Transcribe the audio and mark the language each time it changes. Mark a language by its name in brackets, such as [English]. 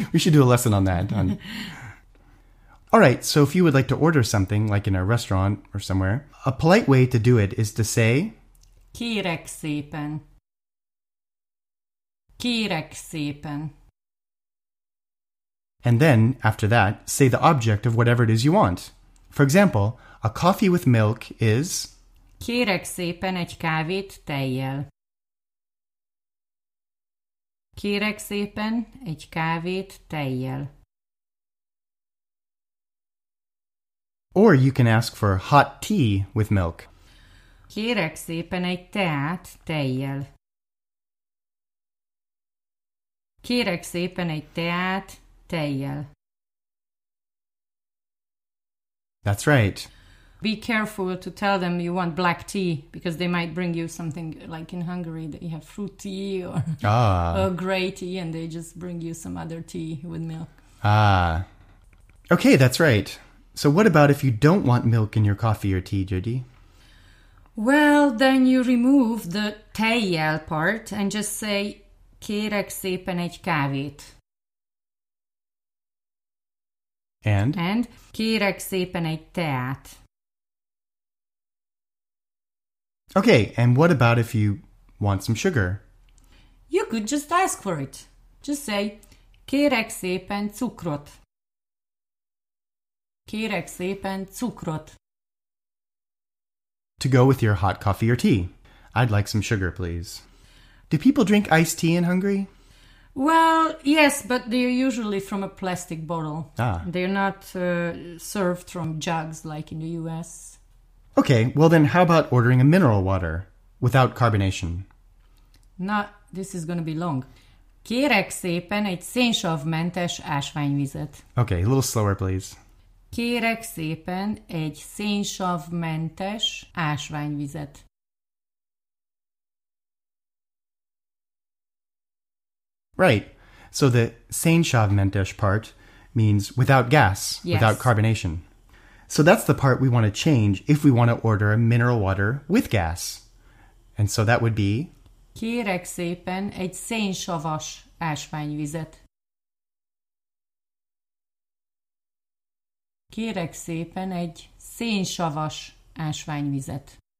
[English] We should do a lesson on that. All right, so if you would like to order something, like in a restaurant or somewhere, a polite way to do it is to say, [Hungarian] Kérek szépen. Kérek szépen. [English] And then, after that, say the object of whatever it is you want. For example, a coffee with milk is [Hungarian] Kérek szépen egy kávét tejjel. Kérek szépen egy kávét tejjel. [English] Or you can ask for hot tea with milk. [Hungarian] Kérek szépen egy teát tejjel. Kérek szépen egy teát tejjel. [English] That's right. Be careful to tell them you want black tea, because they might bring you something like in Hungary that you have fruit tea or grey tea, and they just bring you some other tea with milk. Ah. Okay, that's right. So what about if you don't want milk in your coffee or tea, Jody? Well, then you remove the tejjel part and just say, [Hungarian] kérek szépen egy kávét. [English] And [Hungarian] kérek szépen egy teát. [English] Okay, and what about if you want some sugar? You could just ask for it. Just say, [Hungarian] kérek szépen cukrot. Kérek szépen cukrot. [English] To go with your hot coffee or tea. I'd like some sugar, please. Do people drink iced tea in Hungary? Well, yes, but they're usually from a plastic bottle. Ah. They're not served from jugs like in the US. Okay, well then how about ordering a mineral water without carbonation? No, this is going to be long. [Hungarian] Kérek szépen egy szénsavmentes ásványvizet. [English] Okay, a little slower, please. [Hungarian] Kérek szépen egy szénsavmentes ásványvizet. [English] Right. So the szénsavmentes part means without gas, yes. Without carbonation. So that's the part we want to change if we want to order a mineral water with gas. And so that would be... [Hungarian] Kérek szépen egy szénsavas ásványvizet. Kérek szépen egy szénsavas ásványvizet.